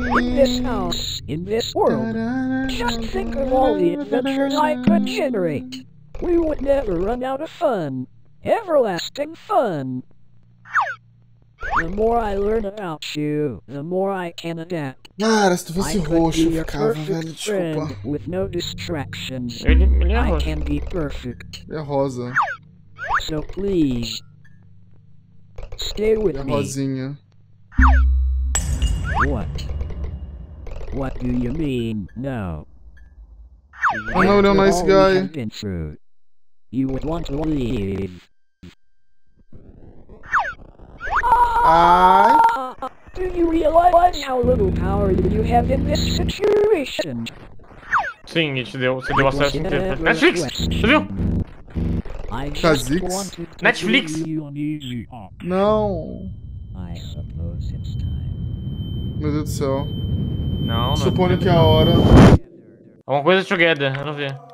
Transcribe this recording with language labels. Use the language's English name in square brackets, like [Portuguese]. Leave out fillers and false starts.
[English] In this house, in this world, just think of all the adventures I could generate. We would never run out of fun. Everlasting fun. The more I learn about you, the more I can adapt. [Portuguese] Cara, se tu fosse roxo, eu ficava, velho, desculpa. [English] With no distractions. [Portuguese] Ele é rosa. [English] I can be perfect. [Portuguese] Ele é rosa. [English] So please, stay with me. [Portuguese] Rosinha. [English] What? What do you mean, no? [Portuguese] Oh, não, ele é um [English] nice guy. You would want to leave. Ai. Do you realize how little power you have in this situation? [Portuguese] Sim, ele te deu, você deu acesso inteiro. Netflix! Você viu? Kha'Zix? Netflix! Não! [English] I suppose it's time. [Portuguese] Meu Deus do céu. Não, não. Suponho que é a hora. Alguma coisa together, eu não vi.